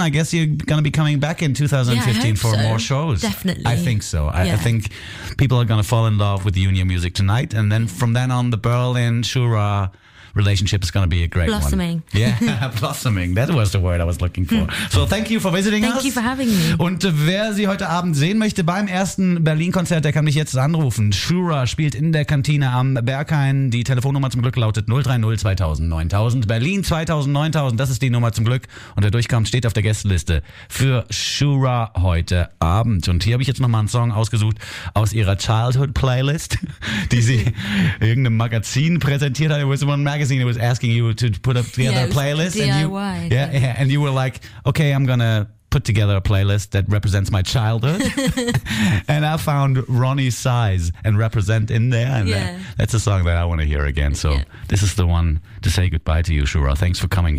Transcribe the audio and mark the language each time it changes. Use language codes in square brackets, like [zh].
[en] I guess you're going to be coming back in 2015 for more shows. Definitely. I think so. I think people are going to fall in love with you and your music tonight. And then from then on, the Berlin-Shura relationship is going to be a great blossoming one. Yeah, blossoming. That was the word I was looking for. So thank you for visiting us. Thank you for having me. [de] Und wer Sie heute Abend sehen möchte beim ersten Berlin-Konzert, der kann mich jetzt anrufen. Shura spielt in der Kantine am Berghain. Die Telefonnummer zum Glück lautet 030 2000 9000. Berlin 2000 9000, das ist die Nummer zum Glück. Und wer durchkommt, steht auf der Gästeliste für Shura heute Abend. Und hier habe ich jetzt nochmal einen Song ausgesucht aus ihrer Childhood-Playlist, die sie irgendeinem Magazin präsentiert hat. [en] Magazine was asking you to put up together a playlist, DIY, and you were like, okay, I'm gonna put together a playlist that represents my childhood. And I found Ronnie Size and Represent in there, and that's a song that I want to hear again. So this is the one to say goodbye to you, Shura. Thanks for coming.